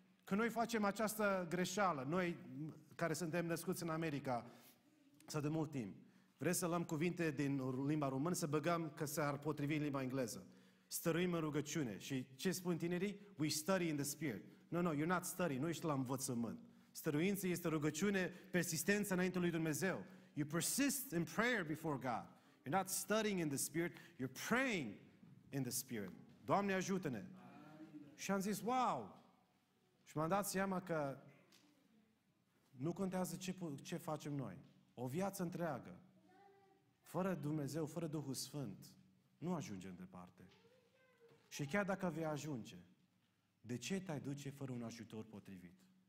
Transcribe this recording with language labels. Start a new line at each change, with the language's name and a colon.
Romanian: Că noi facem această greșeală, noi care suntem născuți în America, sau de mult timp, vreți să luăm cuvinte din limba română, să băgăm că s-ar potrivi în limba engleză. Stăruim în rugăciune. Și ce spun tinerii?
English: We study in the spirit. No, you're not studying,
Romanian: nu ești la învățământ. Stăruință este rugăciune, persistență înainte lui Dumnezeu.
English: You persist in prayer before God. You're not studying in the Spirit, you're praying in the Spirit.
Romanian: Doamne, ajută-ne! Și am zis, wow! Și m-am dat seama că nu contează ce facem noi. O viață întreagă, fără Dumnezeu, fără Duhul Sfânt, nu ajungem departe. Și chiar dacă vei ajunge, de ce te-ai duce fără un ajutor potrivit?